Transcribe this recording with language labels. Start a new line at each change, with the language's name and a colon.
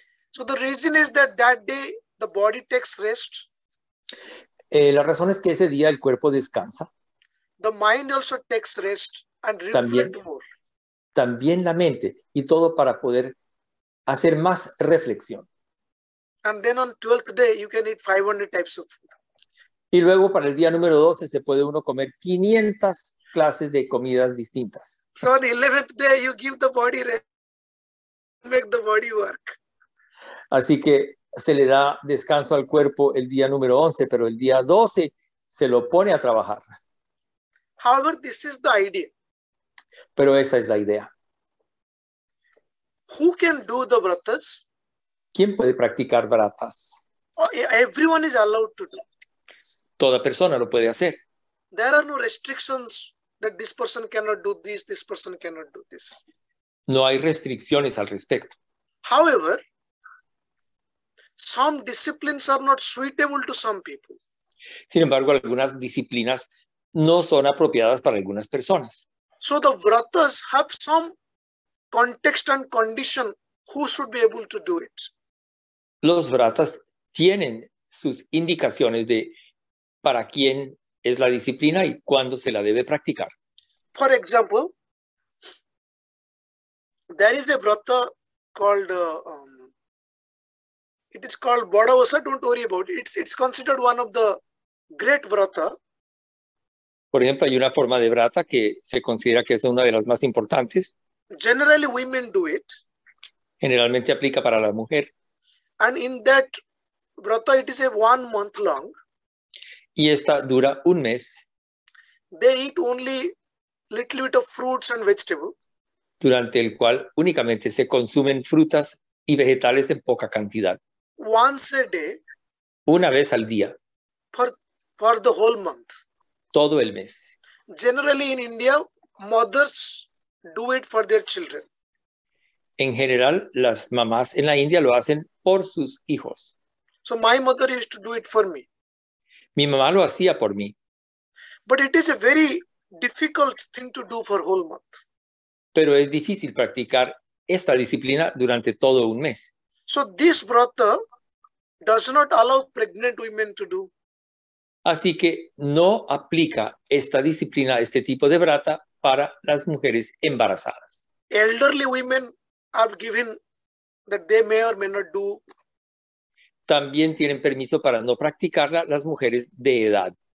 English: So the reason is that that day the body takes rest.
Spanish: La razón es que ese día el cuerpo descansa.
English: The mind also takes rest and reflect
Spanish: también,
English: more.
Spanish: También la mente, y todo para poder hacer más reflexión.
English: And then on 12th day you can eat 500 types of food.
Spanish: Y luego para el día número 12 se puede uno comer 500 clases de comidas distintas.
English: So on the 11th day you give the body rest, make the body work.
Spanish: Así que se le da descanso al cuerpo el día número 11, pero el día 12 se lo pone a trabajar.
English: However, this is the idea.
Spanish: Pero esa es la idea.
English: Who can do the vratas?
Spanish: ¿Quién puede practicar vratas?
English: Everyone is allowed to do.
Spanish: Toda persona lo puede hacer.
English: There are no restrictions that this person cannot do this, this person cannot do this.
Spanish: No hay restricciones al respecto.
English: However, some disciplines are not suitable to some people.
Spanish: Sin embargo, algunas disciplinas no son apropiadas para algunas personas.
English: So the vratas have some context and condition who should be able to do it.
Spanish: Los vratas tienen sus indicaciones de para quién es la disciplina y cuándo se la debe practicar.
English: For example, there is a vrata called it is called Bodavasa, don't worry about it. It's considered one of the great vrata.
Spanish: Por ejemplo, hay una forma de vrata que se considera que es una de las más importantes.
English: Generally, women do it.
Spanish: Generalmente aplica para la mujer.
English: And in that vrata, it is a 1 month long.
Spanish: Y esta dura un mes.
English: They eat only little bit of fruits and vegetables.
Spanish: Durante el cual únicamente se consumen frutas y vegetales en poca cantidad.
English: Once a day.
Spanish: Una vez al día.
English: For the whole month.
Spanish: Todo el mes.
English: Generally in India, mothers do it for their children.
Spanish: En general, las mamás en la India lo hacen por sus hijos.
English: So my mother used to do it for me.
Spanish: Mi mamá lo hacía por mí.
English: But it is a very difficult thing to do for whole month.
Spanish: Pero es difícil practicar esta disciplina durante todo un mes.
English: So this vrata does not allow pregnant women to do.
Spanish: Así que no aplica esta disciplina, este tipo de vrata, para las mujeres embarazadas.
English: Elderly women have given that they may or may not do.
Spanish: También tienen permiso para no practicarla las mujeres de edad.